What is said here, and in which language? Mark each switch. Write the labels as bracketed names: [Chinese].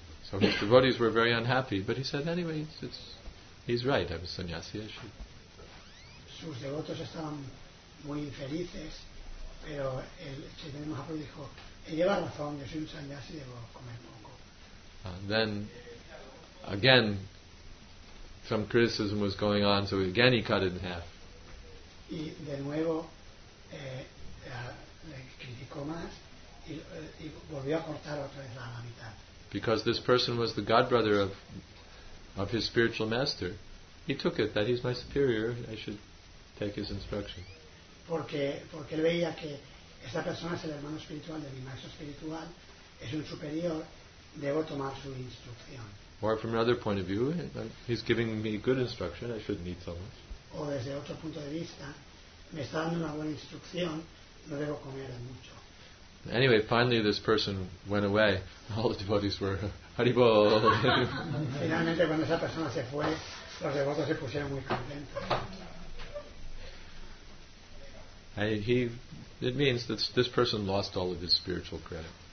[English] So his devotees were very unhappy, but he said, anyway, he's right, I was sannyasi. [Spanish] Sus devotos estaban muy infelices, pero el Chaitanya Mahaprabhu dijo, él lleva razón, yo soy un sannyasi, debo comer poco. [English] Then, again, some criticism was going on, so again he cut it in half. [Spanish] Y de nuevo, le criticó más, y volvió a cortar otra vez la mitad. [English] Because this person was the godbrother of his spiritual master, he took it that he's my superior, I should take his instruction. [Spanish] Porque él veía que esta persona es el hermano espiritual de mi maestro espiritual, es un superior, debo tomar su instrucción. [English] Or from another point of view, he's giving me good instruction, I shouldn't eat so much. [Spanish] O desde otro punto de vista, me está dando una buena instrucción, no debo comer mucho. [English] Anyway, finally this person went away. All the devotees were haribo. [Spanish] Finalmente cuando esa persona se fue, los devotos se pusieron muy contentos. [English] And it means that this person lost all of his spiritual credit.